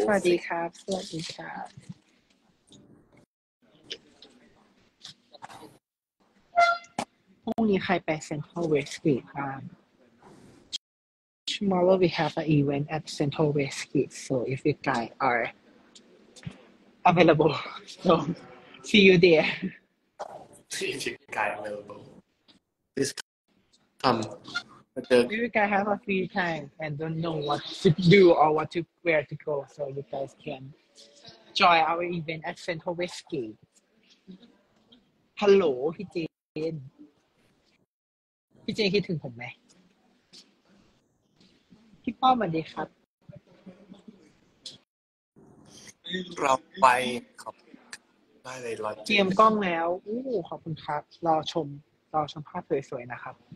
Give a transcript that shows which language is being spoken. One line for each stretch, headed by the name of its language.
Thai: สวัสดีครับสวัสดีครับพรุ่งนี้ใครไปเซ็นทรัลเวสต์กีบ้าง
English: Tomorrow we have an event at Central West Gate, so if you guys are available, so see you there. If you guys are available, please come. If you guys have a free time and don't know what to do or what to where to go, so you guys can join our event at Central West Gate.
Thai: Hello, พี่เจนพี่เจนคิดถึงผมไหมพี่ป้อมสวัสดีครับ เราไปขอบได้เลยรอ เตรียมกล้องแล้วอู้ขอบคุณครับรอชมรอชมภาพสวยๆนะครับ